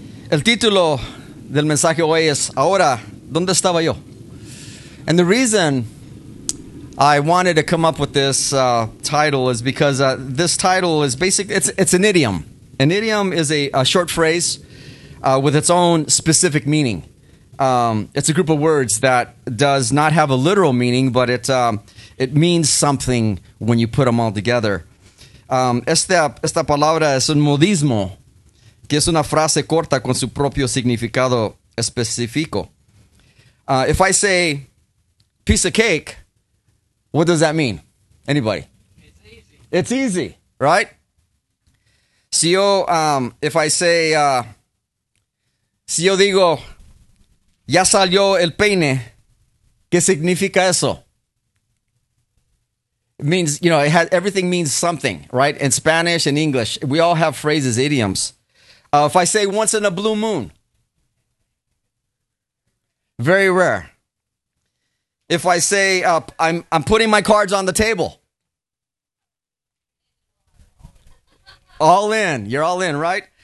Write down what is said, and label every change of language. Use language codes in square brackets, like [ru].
[es] El título del mensaje hoy es Ahora, ¿dónde estaba yo? [en] And the reason I wanted to come up with this title is because this title is basically, it's an idiom. An idiom is a short phrase with its own specific meaning. It's a group of words that does not have a literal meaning, but it means something when you put them all together. [es] Esta palabra es un modismo, que es una frase corta con su propio significado específico. [en] If I say piece of cake, what does that mean? Anybody? It's easy. It's easy, right? [es] Si yo, [en] if I say, [es] si yo digo, ya salió el peine, ¿qué significa eso? [en] Means, you know, it has, everything means something, right? In Spanish and English, we all have phrases, idioms. If I say once in a blue moon, very rare. If I say I'm putting my cards on the table, all in, you're all in, right?